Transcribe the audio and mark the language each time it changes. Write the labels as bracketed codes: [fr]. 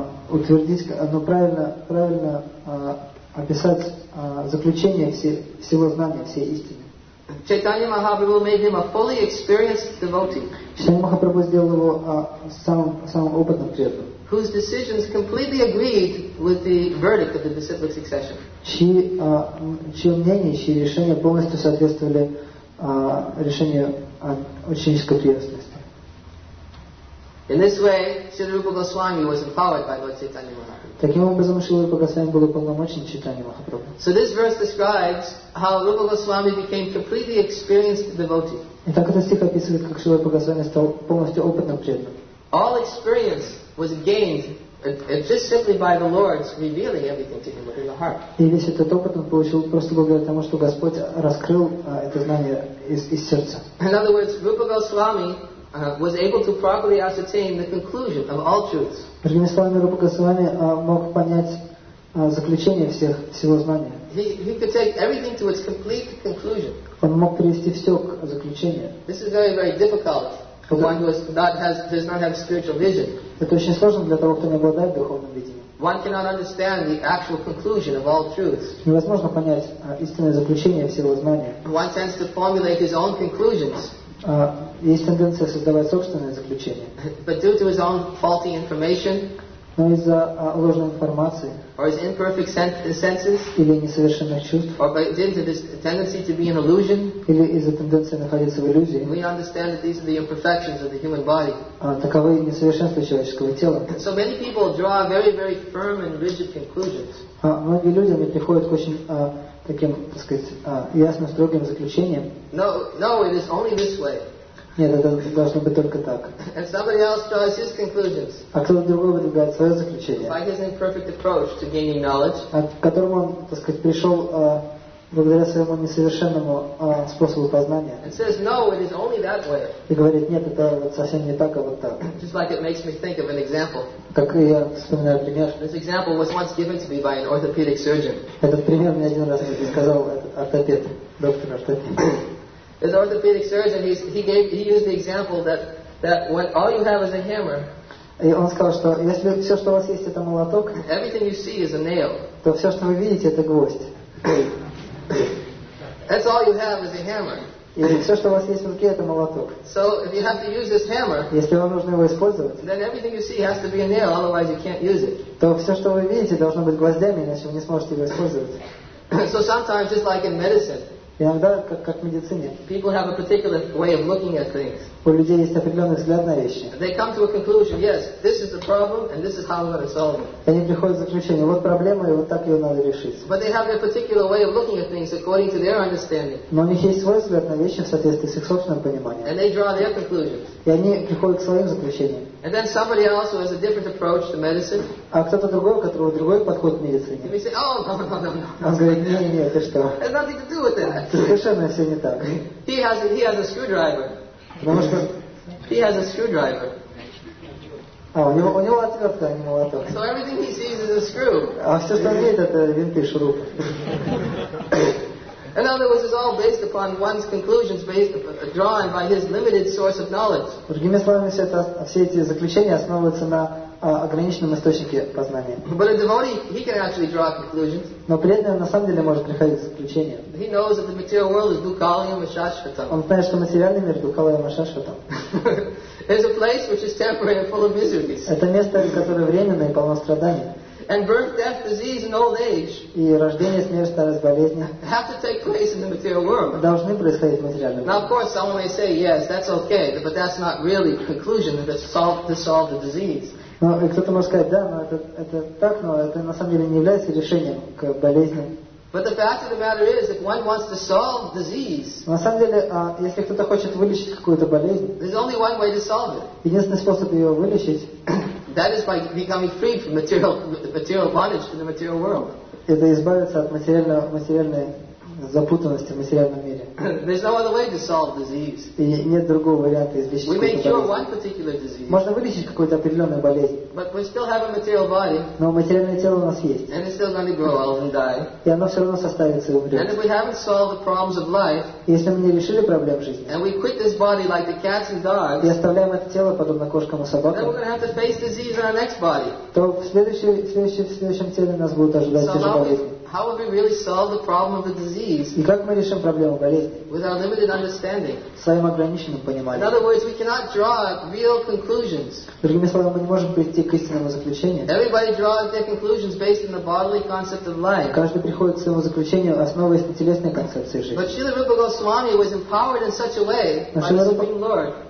[ru] Утвердить, но правильно описать заключение всего знания, всей истины. [en] Chaitanya Mahaprabhu made him a fully experienced devotee. [ru] Chaitanya Mahaprabhu сделал его самым опытным преданным. [en] Whose decisions completely agreed with the verdict of the disciplic succession. [ru] Чьи мнения, чьи решения полностью соответствовали решению ученической преданности. [en] In this way, Śrīla Rūpa Gosvāmī was empowered by Lord Chaitanya Mahāprabhu. [ru] Таким образом, Śrīla Rūpa Gosvāmī был уполномочен Чайтанья Махапрабху. [en] So this verse describes how Rūpa Gosvāmī became completely experienced devotee. [ru] Итак, этот стих описывает, как Śrīla Rūpa Gosvāmī стал полностью опытным преданным. [en] All experience was gained just simply by the Lord's revealing everything to him within the heart. [ru] И весь этот опыт он получил просто благодаря тому, что Господь раскрыл это знание из сердца. [en] In other words, Rūpa Gosvāmī was able to properly ascertain the conclusion of all truths. [ru] Другими словами, Рупа Госвами мог понять заключение всего знания. [en] He could take everything to its complete conclusion. [ru] Он мог привести все к заключению. [en] This is very, very difficult for one who does not have spiritual vision. [ru] Это очень сложно для того, кто не обладает духовным видением. [en] One cannot understand the actual conclusion of all truths. [ru] Невозможно понять истинное заключение всего знания. [en] One tends to formulate his own conclusions. [ru] Есть тенденция создавать собственное заключение. [en] But due to his own faulty information, [ru] но из-за ложной информации, [en] or his imperfect senses, [ru] или несовершенных чувств, [en] or by due to this tendency to be an illusion, [ru] или из-за тенденции находиться в иллюзии, [en] we understand that these are the imperfections of the human body. [ru] Таковы несовершенства человеческого тела. [en] So many people draw very, very firm and rigid conclusions. [ru] Многие люди приходят к очень таким, так сказать, ясным, строгим заключением. [en] No, it is only this way. [ru] Нет, это должно быть только так. [en] And somebody else draws his conclusions. [ru] А кто-то другой выдвигает свое заключение. [en] By his imperfect approach to gaining knowledge. [ru] К которому он, так сказать, пришел благодаря своему несовершенному способу познания. [en] And says, no, it is only that way. [ru] И говорит, нет, это вот совсем не так, а вот так. [en] Just like it makes me think of an example. [ru] Как я вспоминаю пример. [en] This example was once given to me by an orthopedic surgeon. [ru] Этот пример мне один раз сказал ортопед, доктор ортопед. [en] This orthopedic surgeon, he used the example that when all you have is a hammer. [ru] И он сказал, что если все, что у вас есть, это молоток, [en] everything you see is a nail. [ru] То все, что вы видите, это гвоздь. [en] That's all you have is a hammer. [ru] И все, что у вас есть в руке, это молоток. [en] So if you have to use this hammer, [ru] если вам нужно его использовать, [en] then everything you see has to be a nail, otherwise you can't use it. [ru] То все, что вы видите, должно быть гвоздями, иначе вы не сможете его использовать. [en] So sometimes, just like in medicine, [ru] иногда, как в медицине, [en] people have a particular way of looking at things. [ru] У людей есть определенный взгляд на вещи. [en] They come to a conclusion, yes, this is the problem, and this is how I'm going to solve it. [ru] Они приходят к заключению, вот проблема, и вот так ее надо решить. [en] But they have their particular way of looking at things according to their understanding. [ru] Но у них есть свой взгляд на вещи в соответствии с их собственным пониманием. [en] And they draw their conclusions. [ru] И они приходят к своим заключениям. [en] And then somebody else has a different approach to medicine. [ru] А кто-то другой, у которого другой подход к медицине. [en] And they say, oh, no. [ru] Он говорит, не, это что? [en] It has nothing to do with that. [ru] Совершенно все не так. [en] He has a screwdriver. [ru] Потому что [en] he has a screwdriver. [ru] А, у него отвертка, а не молоток. [en] So everything he sees is a screw. [ru] А все, что он видит, это винты, шуруп. [en] In other words, it's all based upon one's conclusions drawn by his limited source of knowledge. [ru] Другими словами, все эти заключения основываются на ограниченном источнике познания. [en] But a devotee, he can actually draw conclusions. [ru] Но преданный на самом деле может приходить к заключениям. [en] He knows that the material world is [sa] dukkhalayam ashashvatam. [ru] Он знает, что материальный мир [sa] dukkhalayam ashashvatam. [en] It's a place which is temporary and full of miseries. [ru] Это место, которое временное и полно страданий. [en] And birth, death, disease, and old age. [ru] И рождение, смерть, старость, болезни. [en] Have to take place in the material world. [ru] Должны происходить в материальном мире. [en] Now, of course, someone may say, yes, that's okay, but that's not really the conclusion that to solve the disease. [ru] Но кто-то может сказать, да, но это так, но это на самом деле не является решением к болезням. [en] But the fact of the matter is, if one wants to solve disease, [ru] на самом деле, если кто-то хочет вылечить какую-то болезнь, [en] there's only one way to solve it. [ru] Единственный способ ее вылечить, [en] that is by becoming free from material bondage in the material world. [ru] Это избавиться от материальной запутанности в материальном мире. [en] There's no other way to solve disease. [ru] И нет другого варианта излечить какую-то болезнь. [en] We may cure one particular disease. [ru] Можно вылечить какую-то определенную болезнь. [en] But we still have a material body. [ru] Но материальное тело у нас есть. [en] And it's still going to grow old and die. [ru] И оно все равно состарится и умрет. [en] And if we haven't solved the problems of life, [ru] если мы не решили проблем жизни, [en] and we quit this body like the cats and dogs, [ru] и оставляем это тело подобно кошкам и собакам, [en] then we're going to have to face disease in our next body. [ru] То в следующем теле нас будут ожидать те же болезни. [en] How would we really solve the problem of the disease? [ru] И как мы решим проблему болезни? [en] With our limited understanding. [ru] Своим ограниченным пониманием. [en] In other words, we cannot draw real conclusions. [ru] Другими словами, мы не можем прийти к истинному заключению. [en] Everybody draws their conclusions based on the bodily concept of life. [ru] Каждый приходит к своему заключению, основываясь на телесной концепции жизни. [en] But Srila Rupa Goswami was empowered in such a way by the Supreme Lord.